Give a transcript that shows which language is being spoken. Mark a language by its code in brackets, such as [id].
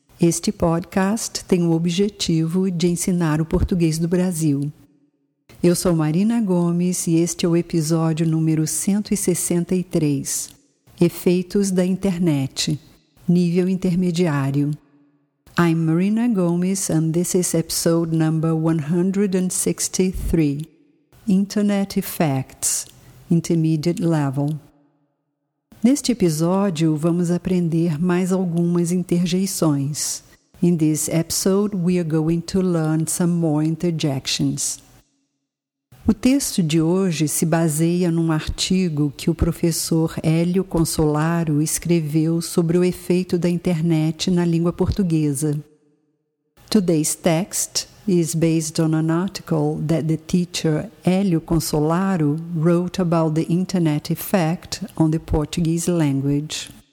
[pt] Este podcast tem o objetivo de ensinar o português do Brasil. Eu sou Marina Gomes e este é o episódio número 163. Efeitos da internet. Nível intermediário. [en] I'm Marina Gomes and this is episode number 163. Internet Effects, Intermediate Level. [pt] Neste episódio, vamos aprender mais algumas interjeições. [en] In this episode, we are going to learn some more interjections. [pt] O texto de hoje se baseia num artigo que o professor Hélio Consolaro escreveu sobre o efeito da internet na língua portuguesa. [en] Today's text is based on an article that the teacher Hélio Consolaro wrote about the internet effect on the Portuguese language.